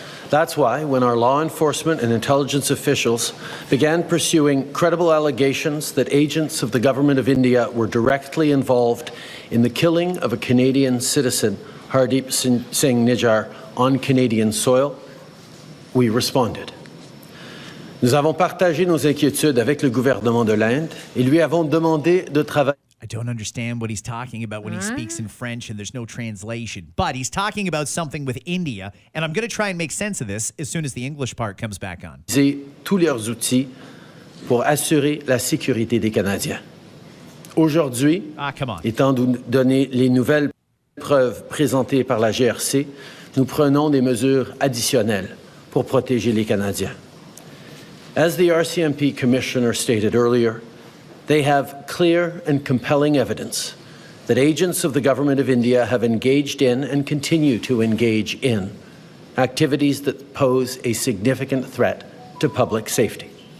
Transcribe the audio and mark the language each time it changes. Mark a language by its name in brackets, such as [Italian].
[English] That's why when our law enforcement and intelligence officials began pursuing credible allegations that agents of the government of India were directly involved in the killing of a Canadian citizen, Hardeep Singh Nijjar, on Canadian soil, we responded. [French] Nous avons partagé nos inquiétudes avec le gouvernement de l'Inde et lui avons demandé de travailler. [English] I don't understand what he's talking about when he speaks in French and there's no translation. But he's talking about something with India, and I'm going to try and make sense of this as soon as the English part comes back on. [French] Tous leurs outils pour assurer la sécurité des Canadiens. Aujourd'hui, étant donné les nouvelles preuves présentées par la GRC, nous prenons des mesures additionnelles pour protéger les Canadiens. [English] As the RCMP commissioner stated earlier, they have clear and compelling evidence that agents of the government of India have engaged in and continue to engage in activities that pose a significant threat to public safety.